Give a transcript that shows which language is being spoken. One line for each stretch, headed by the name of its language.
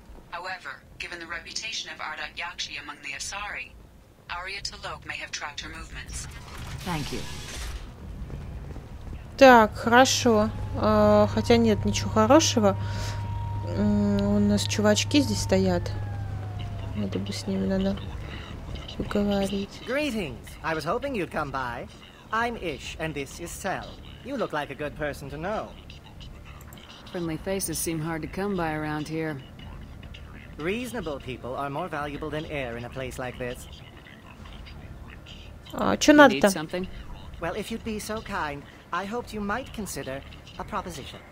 English: However, given the reputation of Ardat-Yakshi among the Asari, Arya Talok may have tracked her movements. Thank you.
Russian: Так, хорошо. Хотя нет, ничего хорошего. У нас чувачки здесь стоят. Надо бы с ними надо поговорить.
English: Greetings. I was hoping you'd come by. I'm Ish, and this is Sel. You look like a good person to know. Friendly faces seem hard to come by around here. Reasonable people are more valuable than air in a place like this.
Russian: А что надо-то?
English: Well, if you'd be so kind. I hoped you might consider a proposition.